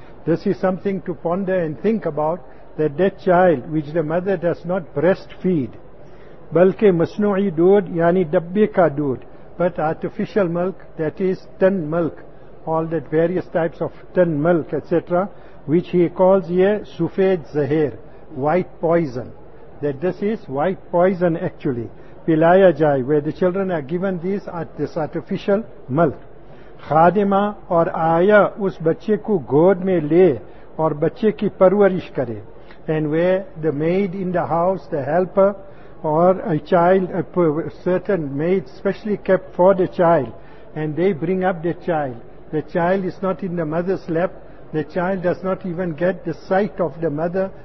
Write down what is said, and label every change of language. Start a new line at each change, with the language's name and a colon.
English: This is something to ponder and think about, that that child which the mother does not breastfeed,
Urdu: بلکہ مصنوعی دودھ یعنی ڈبے کا دودھ,
English: but artificial milk, that is tin milk, all that various types of tin milk etc., which he calls
Urdu: یہ سفید زہر,
English: white poison, that this is white poison actually,
Urdu: پلایا جائے,
English: where the children are given this artificial milk.
Urdu: خادمہ اور آیا اس بچے کو گود میں لے اور بچے کی پرورش کرے.
English: And where the maid in the house, the helper, or a child, a certain maid specially kept for the child, and they bring up the child. The child is not in the mother's lap. The child does not even get the sight of the mother.